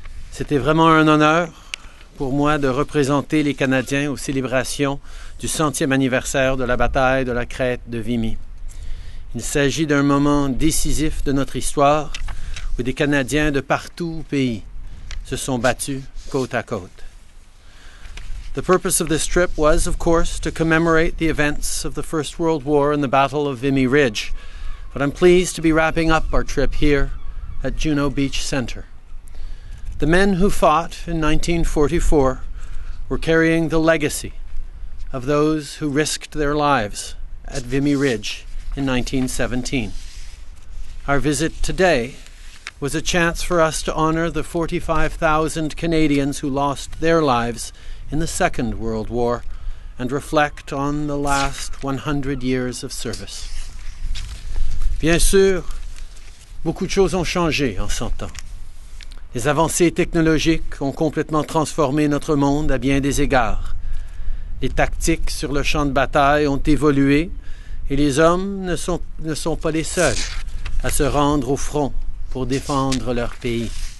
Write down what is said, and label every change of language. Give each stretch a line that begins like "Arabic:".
French: C'était vraiment un honneur pour moi de représenter les Canadiens aux célébrations du 100e anniversaire de la bataille de la crête de Vimy. Il s'agit d'un moment décisif de notre histoire où des Canadiens de partout au pays se sont battus côte à côte.
English: The purpose of this trip was, of course, to commemorate the events of the First World War and the Battle of Vimy Ridge, but I'm pleased to be wrapping up our trip here at Juno Beach Centre. The men who fought in 1944 were carrying the legacy of those who risked their lives at Vimy Ridge in 1917. Our visit today was a chance for us to honour the 45,000 Canadians who lost their lives in the Second World War and reflect on the last 100 years of service.
French: Bien sûr, beaucoup de choses ont changé en 100 ans. Les avancées technologiques ont complètement transformé notre monde à bien des égards. Les tactiques sur le champ de bataille ont évolué et les hommes ne sont pas les seuls à se rendre au front pour défendre leur pays.